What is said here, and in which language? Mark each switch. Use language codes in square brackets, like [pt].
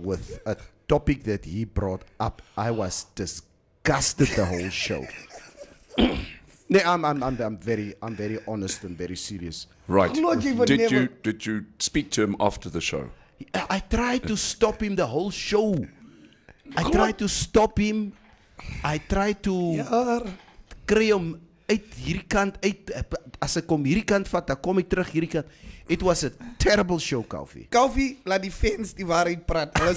[en] With a topic that he brought up. I was disgusted the whole show. I'm very honest and very serious. Right. Did you speak to him after the show? I tried to stop him the whole show. I try to stop him. I try to [af] kry hom uit hierdie kant uit. As ek kom hierdie kant vat, dan kom ek terug hierdie kant. [en] It was a terrible show, Kaufie. [af] Kaufie, laat die fans die waarheid praat.